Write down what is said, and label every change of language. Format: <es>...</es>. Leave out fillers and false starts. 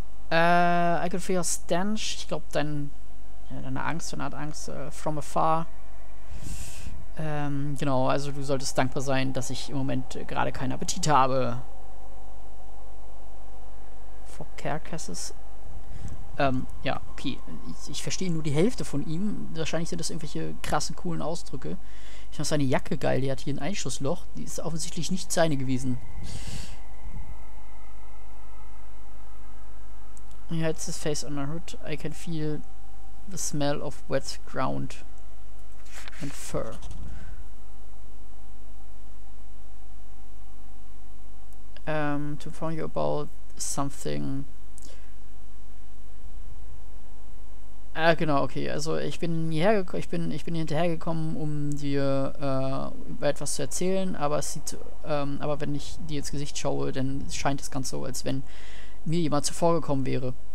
<en>I could feel your stench.</en> <de>Ich glaube, deine Angst, eine Art Angst,</de> <en>from afar.</en> <de>Genau, also du solltest dankbar sein, dass ich im Moment gerade keinen Appetit habe.</de> <en>For Carcasses. Okay.</en> <de>Ich verstehe nur die Hälfte von ihm. Wahrscheinlich sind das irgendwelche krassen, coolen Ausdrücke. Ich fand seine Jacke geil. Die hat hier ein Einschussloch. Die ist offensichtlich nicht seine gewesen.</de> <en>He hides his face on her hood. I can feel the smell of wet ground and fur. To inform you about something.</en> <de>Ah, genau, okay. Also ich bin hinterhergekommen, um dir über etwas zu erzählen, aber es sieht aber wenn ich dir ins Gesicht schaue, dann scheint es ganz so, als wenn mir jemand zuvorgekommen wäre.</de>